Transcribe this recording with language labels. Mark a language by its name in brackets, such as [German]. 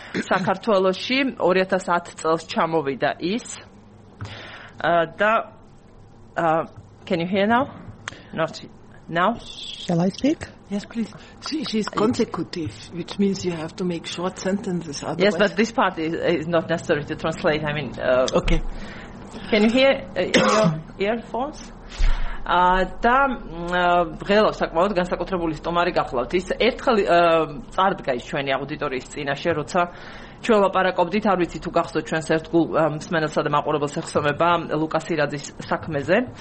[Georgian] საქართველოში 2010 წელს ჩამოვიდა ის. და [English] can you hear now? Not now. Shall I speak? Yes, please. She's consecutive, which means you have to make short sentences. Otherwise. Yes, but this part is not necessary to translate. I mean, okay. Can you hear in your earphones? [Georgian] Da ღელავ საკმაოდ განსაკუთრებული სტუმარი გახლავთ. ის ერთხელ წარდგა ის ჩვენი აუდიტორიის წინაშე, როცა ჩვენ ლაპარაკობდით, არ ვიცი თუ გახსოვთ, ჩვენს ერთგულ მსმენელსა და მაყურებელს ეხსომება ლუკას ირაძის საქმეზე.